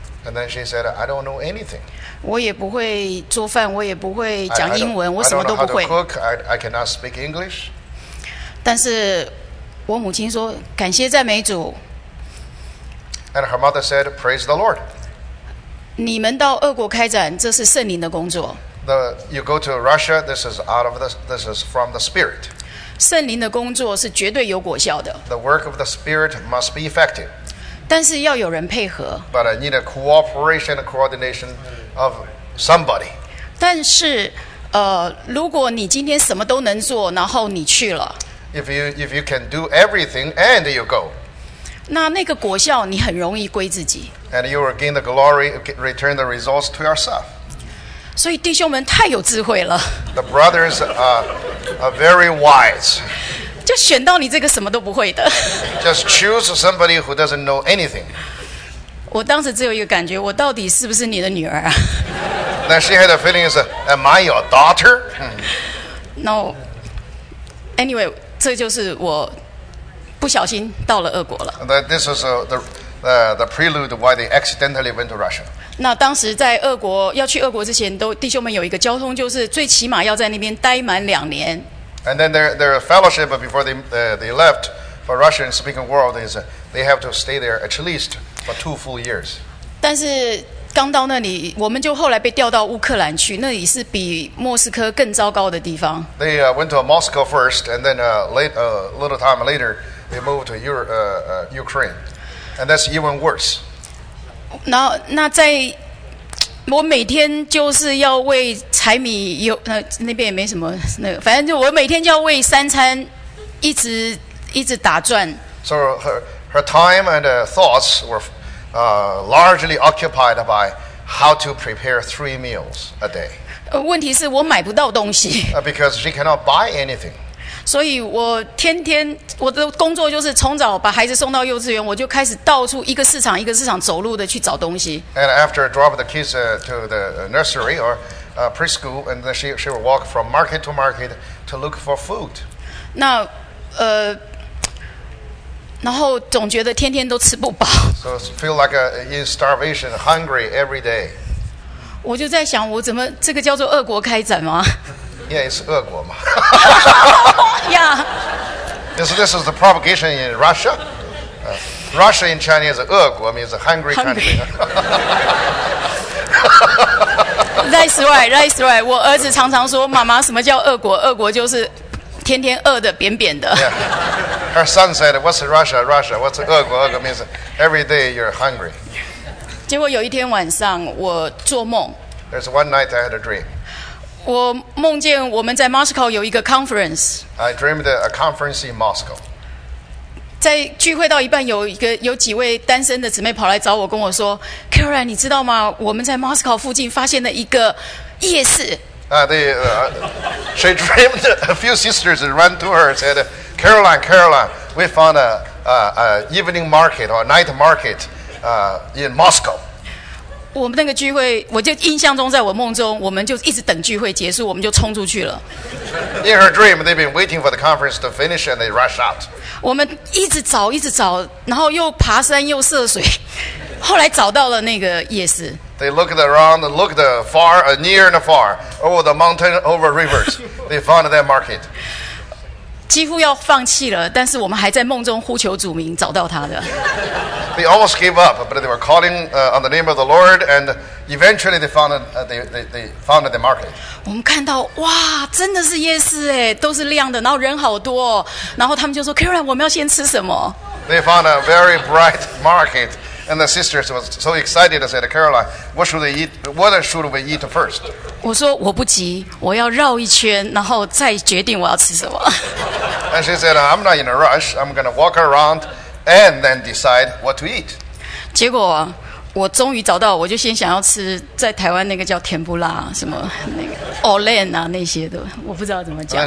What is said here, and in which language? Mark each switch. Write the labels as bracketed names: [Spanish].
[English] And then she said, I don't know anything. [Chinese] 我也不会做饭，我也不会讲英文，我什么都不会。 [English] I don't know how to cook. I cannot speak English. [Chinese] 但是我母亲说，感谢赞美主。 [English] And her mother said, "Praise the Lord." [Chinese] 你们到俄国开展，这是圣灵的工作。 [English] You go to Russia. This is from the Spirit. [Chinese] 圣灵的工作是绝对有果效的。 [English] The work of the Spirit must be effective. [Chinese] 但是要有人配合。 [English] But I need a cooperation, a coordination of somebody. [Chinese] 但是，如果你今天什么都能做，然后你去了。 [English] If you can do everything and you go. [Chinese] 那个果效你很容易归自己。 [English] And you will gain the glory, return the results to yourself. [Chinese] 所以弟兄们太有智慧了。 [English] The brothers are very wise. [Chinese] 就选到你这个什么都不会的。 [English] Just choose somebody who doesn't know anything. [Chinese] 我当时只有一个感觉，我到底是不是你的女儿啊？ [English] Then she had a feeling is, am I your daughter? No. Anyway, [Chinese] 这就是我。不小心到了俄国了。 [English] This is the the prelude why they accidentally went to Russia. [Chinese] 那当时在俄国要去俄国之前，都弟兄们有一个交通，就是最起码要在那边待满两年。 [English] And then their fellowship before they left for Russian speaking world is they have to stay there at least for 2 full years. [Chinese] 但是刚到那里，我们就后来被调到乌克兰去，那里是比莫斯科更糟糕的地方。 [English] They went to Moscow first, and then a little time later, they moved to Ukraine, and that's even worse. [Chinese] 然后那在我每天就是要为柴米油那边也没什么那个，反正就我每天就要为三餐一直打转。 [English] So her time and thoughts were. Largely occupied by how to prepare 3 meals a day. [Chinese] 问题是我买不到东西。 [English] Because she cannot buy anything. [Chinese] 所以我天天我的工作就是从早把孩子送到幼稚园，我就开始到处一个市场一个市场走路的去找东西。 [English] And after drop the kids to the nursery or preschool, and then she will walk from market to market to look for food. [Chinese] 那然后总觉得天天都吃不饱。 [English] So feel like in starvation, hungry every day. [Chinese] 我就在想，我怎么这个叫做俄国开展吗 [English] ？Yeah, it's [Chinese] 俄国嘛。 [English] Yeah. This is the propagation in Russia. Russia in Chinese, 俄国 means hungry country. That's right, that's right. [Chinese] 我儿子常常说，妈妈，什么叫俄国？俄国就是天天饿的扁扁的。 [English] Yeah. Her son said, "What's Russia? Russia? What's 俄国？俄国 means every day you're hungry." [Chinese] 结果有一天晚上我做梦。 [English] There's one night I had a dream. [Chinese] 我梦见我们在 Moscow 有一个 conference. [English] I dreamed a conference in Moscow. [Chinese] 在聚会到一半，有几位单身的姊妹跑来找我，跟我说 ，Karen， 你知道吗？我们在 Moscow 附近发现了一个夜市。 [English] She dreamed a few sisters ran to her and said. Caroline, we found a evening market or a night market in Moscow. [Chinese] 我们那个聚会，我就印象中，在我梦中，我们就一直等聚会结束，我们就冲出去了。 [English] In her dream, they've been waiting for the conference to finish and they rush out. [Chinese] 我们一直找，一直找，然后又爬山又涉水，后来找到了那个夜市。 [English] They looked around, looked far, near and far, over the mountain, over rivers. They found that market. [Chinese] 几乎要放弃了，但是我们还在梦中呼求主名，找到他的。 [English] They almost gave up, but they were calling on the name of the Lord, and eventually they found they found the market. [Chinese] 我们看到，哇，真的是夜市哎，都是亮的，然后人好多、哦，然后他们就说 ，Karen， 我们要先吃什么 [English] ？They found a very bright market, and the sisters was so excited. They said, "Caroline, what should they eat? What should we eat first?" [Chinese] 我说我不急，我要绕一圈，然后再决定我要吃什么。 [English] And she said, "I'm not in a rush. I'm going to walk around and then decide what to eat." [Chinese] 结果我终于找到，我就先想要吃在台湾那个叫甜不辣什么那个 Olen 啊那些的，我不知道怎么讲。